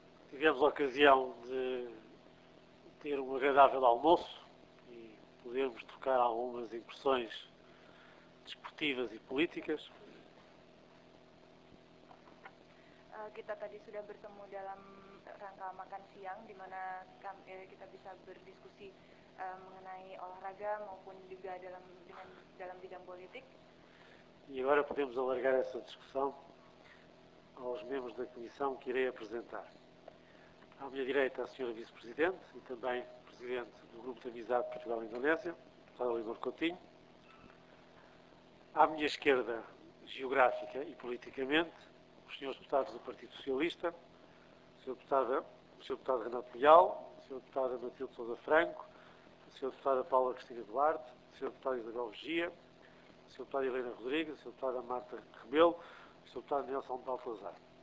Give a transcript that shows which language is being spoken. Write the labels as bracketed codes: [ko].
[pt] Tivemos a ocasião de ter um agradável almoço e podermos trocar algumas impressões desportivas e políticas. [id] Kita tadi sudah bertemu dalam rangka makan siang, di mana kita bisa berdiskusi mengenai olahraga maupun juga dalam bidang politik. [pt] E agora podemos alargar essa discussão aos membros da comissão que irei apresentar. À minha direita, a Sra. Vice-Presidente e também Presidente do Grupo de Amizade Portugal-Indonésia, deputada Leonor Coutinho. À minha esquerda, geográfica e politicamente, os senhores deputados do Partido Socialista, o senhor deputado Renato Leal, o senhor deputado Matilde Sousa Franco, a senhora deputada Paula Cristina Duarte, o senhor deputado Isabel Mejia, o senhor deputado Helena Rodrigues, o senhor deputado Marta Rebelo, o senhor deputado Nelson Baltazar.